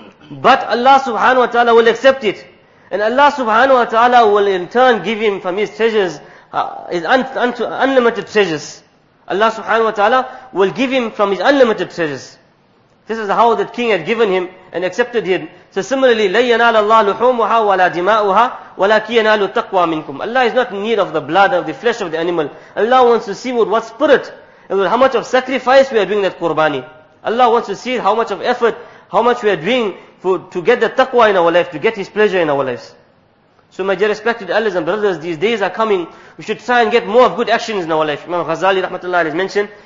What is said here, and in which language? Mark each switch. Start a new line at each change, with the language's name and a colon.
English: But Allah subhanahu wa ta'ala will accept it. And Allah subhanahu wa ta'ala will in turn give him from his treasures, unlimited treasures. Allah subhanahu wa ta'ala will give him from his unlimited treasures. This is how that king had given him and accepted him. So similarly,
Arabic: لَنْ يَنَالَ اللَّهُ لُحُومُهَا وَلَا دِمَاؤُهَا وَلَكِنْ يَنَالُ التَّقْوَى مِنْكُمْ.
English: Allah is not in need of the blood of the flesh of the animal. Allah wants to see with what spirit and with how much of sacrifice we are doing that qurbani. Allah wants to see how much of effort, how much we are doing to get the taqwa in our life, to get His pleasure in our lives. So my dear respected elders and brothers, these days are coming. We should try and get more of good actions in our life. Imam Ghazali rahmatullah has mentioned